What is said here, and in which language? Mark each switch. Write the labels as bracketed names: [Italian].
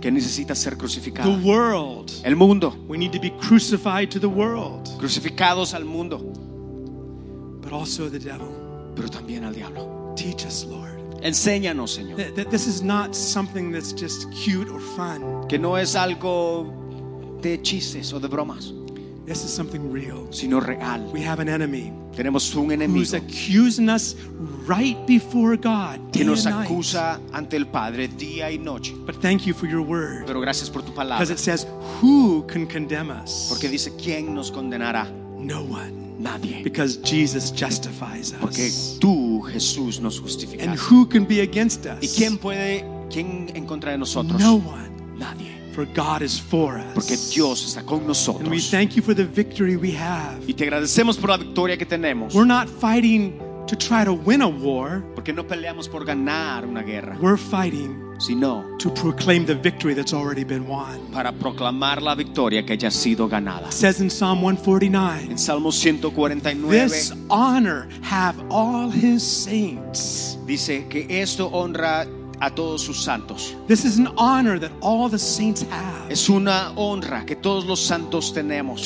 [Spanish] que necesita ser crucificada. [English] The world, [Spanish] el mundo, [English] we need to be crucified to the world, [Spanish] crucificados al mundo, [English] but also the devil, [Spanish] pero también al diablo. [English] Teach us, Lord, [Spanish] enséñanos, Señor, [English] that this is not something that's just cute or fun, [Spanish] que no es algo de chistes o de bromas. [English] This is something real. [Spanish] Sino real. [English] We have an enemy. [Spanish] Tenemos un enemigo. [English] Who's accusing us right before God. [Spanish] Que nos acusa ante el Padre día y noche. [English] But thank you for your word. [Spanish] Pero gracias por tu palabra. [English] Because it says, "Who can condemn us?" [Spanish] Porque dice quién nos condenará. [English] No one. [Spanish] Nadie. [English] Because Jesus justifies us. [Spanish] Porque tú, Jesús, nos justificas. [English] And who can be against us? [Spanish] ¿Y quién en contra de nosotros? [English] No one. [Spanish] Nadie. [English] For God is for us. [Spanish] Porque Dios está con nosotros. [English] And we thank you for the victory we have. [Spanish] Y te agradecemos por la victoria que tenemos. [English] We're not fighting to try to win a war. [Spanish] Porque no peleamos por ganar una guerra. [English] We're fighting, [Spanish] sino [English] to proclaim the victory that's already been won. [Spanish] Para proclamar la victoria que ya ha sido ganada. [English] It says in Psalm 149. [Spanish] En Salmo 149. [English] This honor have all his saints. [Spanish] Dice que esto honra a todos sus santos. [English] This is an honor that all the saints have. [Spanish] Es una honra que todos los santos tenemos.